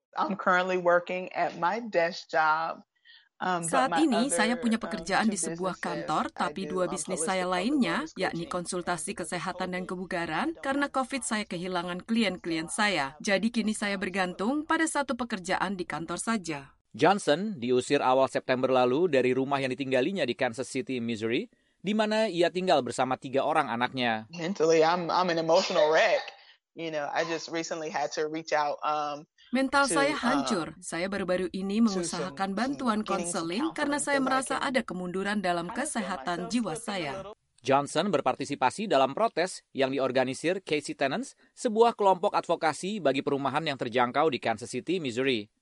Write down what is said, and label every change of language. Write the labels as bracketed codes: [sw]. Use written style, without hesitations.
[en] I'm currently working at my desk job. [id] Saat ini saya punya pekerjaan di sebuah kantor, tapi dua bisnis saya lainnya, yakni konsultasi kesehatan dan kebugaran, karena COVID saya kehilangan klien-klien saya. Jadi kini saya bergantung pada satu pekerjaan di kantor saja. Johnson diusir awal September lalu dari rumah yang ditinggalinya di Kansas City, Missouri, di mana ia tinggal bersama 3 orang anaknya. [en] Mentally, I'm an emotional wreck. You know, I just recently had to reach out. [id] Mental saya hancur. Saya baru-baru ini mengusahakan bantuan konseling karena saya merasa ada kemunduran dalam kesehatan jiwa saya. Johnson berpartisipasi dalam protes yang diorganisir Casey Tenants, sebuah kelompok advokasi bagi perumahan yang terjangkau di Kansas City, Missouri.